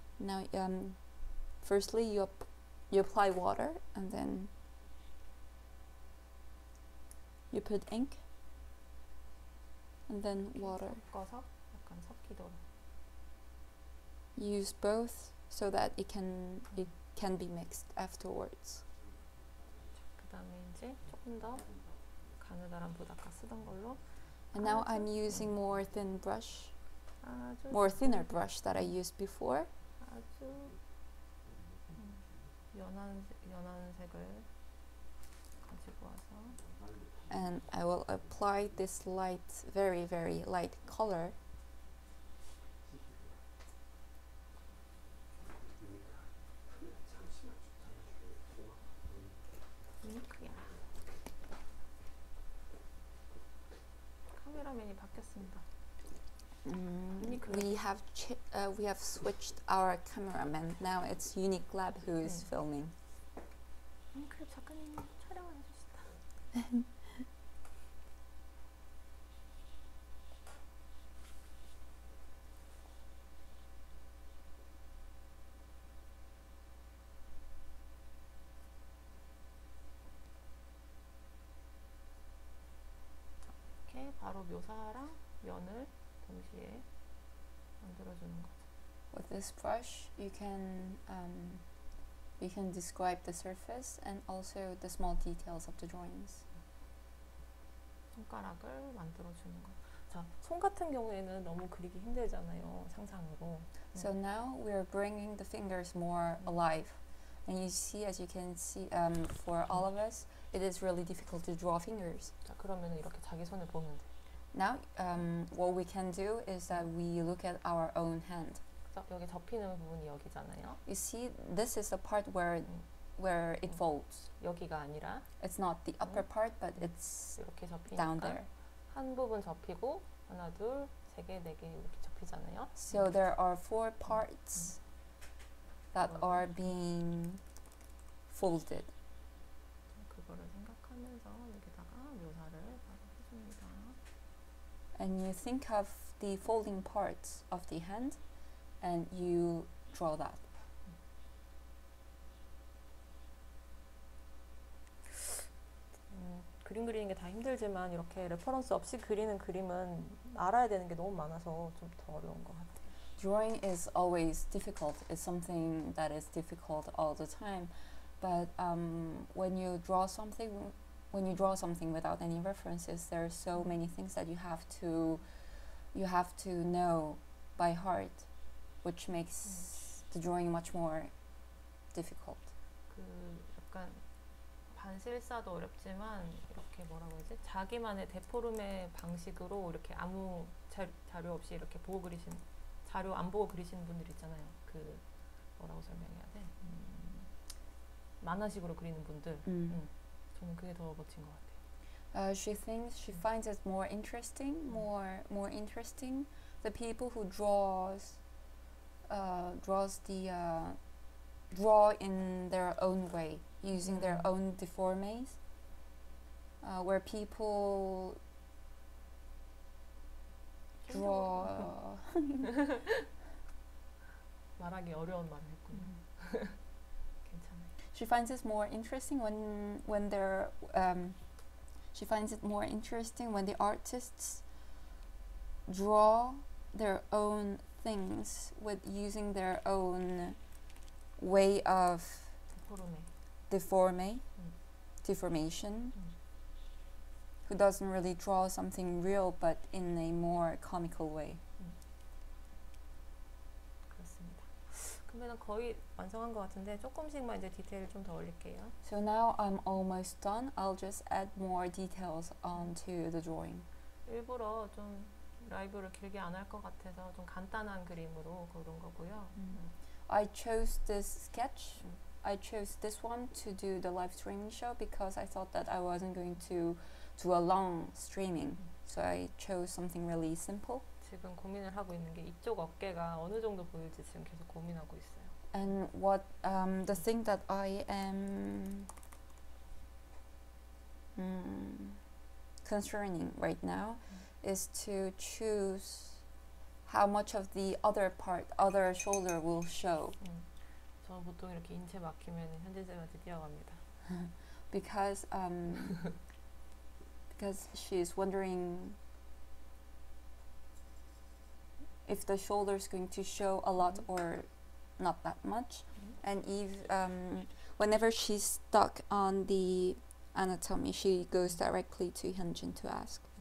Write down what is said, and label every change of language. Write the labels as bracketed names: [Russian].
[English] Now, firstly, you apply water, and then you put ink, and then water. [Korean] 섞어서 약간 섞이도록. [English] Use both so that it can be mixed afterwards. [Korean] 자, 그다음에 이제 조금 더 가느다란 보다가 쓰던 걸로. [English] And now I'm using more thin brush. More thinner brush that I used before. [Korean] 아주 연한 색을 가지고 와서. [English] And I will apply this light, very very light color. [Korean] 잠시만. 카메라맨이 바뀌었습니다. [English] We have switched our cameraman. Now it's Unique Lab who is filming. [Korean] Okay, 바로 묘사랑 면을 동시에 만들어주는 거죠. [English] With this brush, you can describe the surface and also the small details of the drawings. [Korean] 손가락을 만들어주는 거. 자, 손 같은 경우에는 너무 그리기 힘들잖아요. 상상으로. [English] So now we are bringing the fingers more alive, and you see, as you can see, for all of us, it is really difficult to draw fingers. [Korean] 자, 그러면 이렇게 자기 손을 보면 돼. [English] Now, what we can do is that we look at our own hand. [Korean] 여기 접히는 부분이 여기잖아요. [English] You see, this is the part where it folds. [Korean] 여기가 아니라. [English] It's not the upper part, but it's down there. [Korean] 한 부분 접히고 하나, 둘, 세 개, 네 개 이렇게 접히잖아요. [English] So there are four parts that are being folded. [Korean] 그거를 생각하면서 여기다가 묘사를 바로 해줍니다. [English] And you think of the folding parts of the hand. And you draw that. [Korean] 그림 그리는 게 다 힘들지만 이렇게 레퍼런스 없이 그리는 그림은 알아야 되는 게 너무 많아서 좀 더 어려운 것 같아요. [English] Drawing is always difficult. It's something that is difficult all the time. But when you draw something without any references, there are so many things that you have to know by heart. Which makes the drawing much more difficult. [Korean] 그 약간 반실사도 어렵지만 이렇게 뭐라고 해야지? 자기만의 데포르메 방식으로 이렇게 아무 자료 없이 이렇게 보고 그리신 자료 안 보고 그리시는 분들 있잖아요. 그 뭐라고 설명해야 돼? 만화식으로 그리는 분들. 저는 그게 더 멋진 것 같아요. [English] She finds it more interesting, more interesting. The people who draw in their own way, using their own deformes, where people draw. [Korean] 말하기 어려운 말을 했군요. 괜찮아요. [English] She finds it more interesting when they're. She finds it more interesting when the artists draw their own. Things with using their own way of deformation, who doesn't really draw something real but in a more comical way. [Korean] 그렇습니다. 그러면 거의 완성한 것 같은데 조금씩만 이제 디테일을 좀 더 올릴게요. [English] So now I'm almost done. I'll just add more details onto the drawing. [Korean] 일부러 좀 라이브를 길게 안 할 것 같아서 좀 간단한 그림으로 그런 거고요. [English] I chose this sketch. I chose this one to do the live streaming show because I thought that I wasn't going to do a long streaming. So I chose something really simple. [Korean] 지금 고민을 하고 있는 게 이쪽 어깨가 어느 정도 보일지 지금 계속 고민하고 있어요. [English] And what the thing that I am concerning right now is to choose how much of the other part, other shoulder will show. [Korean] 저 보통 이렇게 인체 막히면 현대제마트 뛰어갑니다. [English] because she is wondering if the shoulder is going to show a lot or not that much. And whenever she's stuck on the anatomy, she goes directly to Hyunjin to ask.